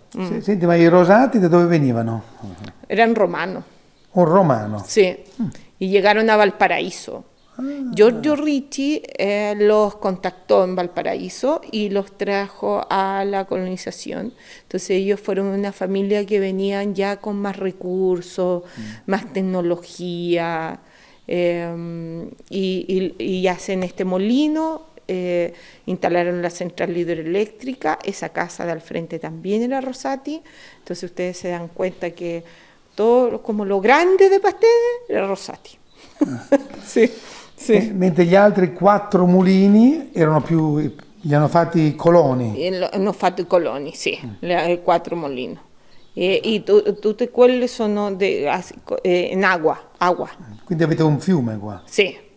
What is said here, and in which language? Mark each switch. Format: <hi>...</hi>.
<it>Senti, ma i rosati da dove venivano? Era un romano. Un romano?</it> <es>Sì, e llegaron a Valparaíso.</es> <it>Giorgio Ricci lo contattò in Valparaíso e</it> <es>lo trajo</es> <it>alla colonizzazione.</it> <es>Entonces ellos fueron una familia che venían ya con más recursos, más tecnología, y hacen este molino, instalaron la central hidroeléctrica, esa casa del frente también era Rossatti. Entonces ustedes se dan cuenta que todo como lo grande de Pastene era Rossatti. Sí. Sì.</es> <it>Mentre gli altri 4 mulini erano più, li hanno fatti i coloni. Hanno fatto i coloni, sì, i 4 mulini. E tutte quelle sono in acqua. Quindi avete un fiume qua? Sì.</it>